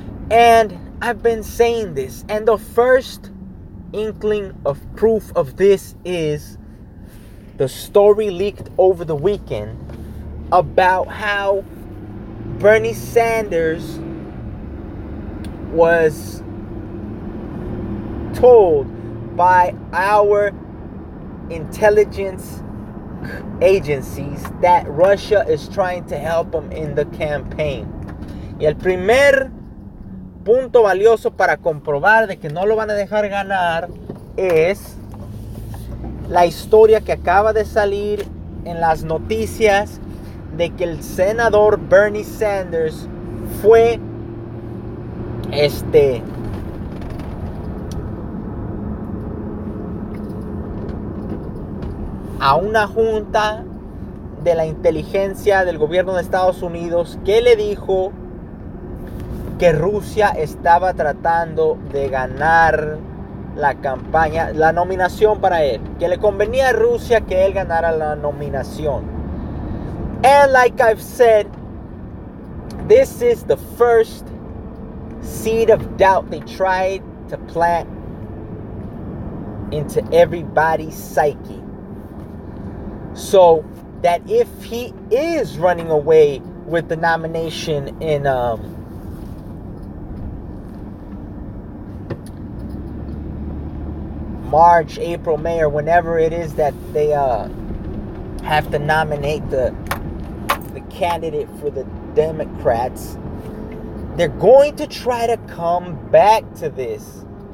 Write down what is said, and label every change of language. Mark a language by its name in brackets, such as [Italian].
[English] And I've been saying this, and the first inkling of proof of this is the story leaked over the weekend about how Bernie Sanders was told by our intelligence agencies that Russia is trying to help him in the campaign. [Spanish] Y el primer punto valioso para comprobar de que no lo van a dejar ganar es la historia que acaba de salir en las noticias de que el senador Bernie Sanders fue a una junta de la inteligencia del gobierno de Estados Unidos que le dijo que Rusia estaba tratando de ganar la campaña, la nominación para él, que le convenía a Rusia que él ganara la nominación. [English] And like I've said, this is the first seed of doubt they tried to plant into everybody's psyche. So that if he is running away with the nomination in March, April, May, or whenever it is that they have to nominate the candidate for the Democrats, they're going to try to come back to this.